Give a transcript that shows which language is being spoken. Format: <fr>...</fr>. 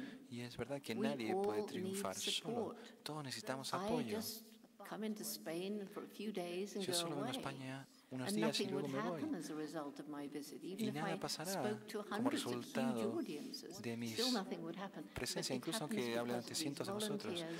<es>Y es verdad que nadie puede triunfar solo. Todos necesitamos apoyo.</es> <en>Come into Spain for a few days and</en> <es>yo solo</es> <en>go away.</en> <es>En España unos días y luego me voy. Y nada pasará como resultado de mi presencia, incluso aunque hable ante cientos de vosotros.</es>